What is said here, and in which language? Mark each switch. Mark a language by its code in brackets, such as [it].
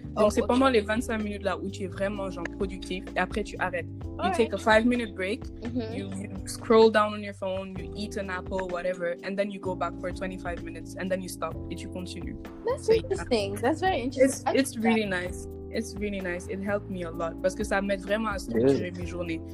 [fr] Donc, c'est pendant les 25 minutes là où tu es vraiment, genre, productif, et après, tu arrêtes. [en] Take a 5-minute break, you scroll down on your phone, you eat an apple, whatever, and then you go back for 25 minutes, and then you stop, [fr] et tu continues. [en] That's so interesting. Yeah. That's very interesting. It's really nice. It helped me a lot [fr] parce que ça m'aide vraiment à structurer mes journées.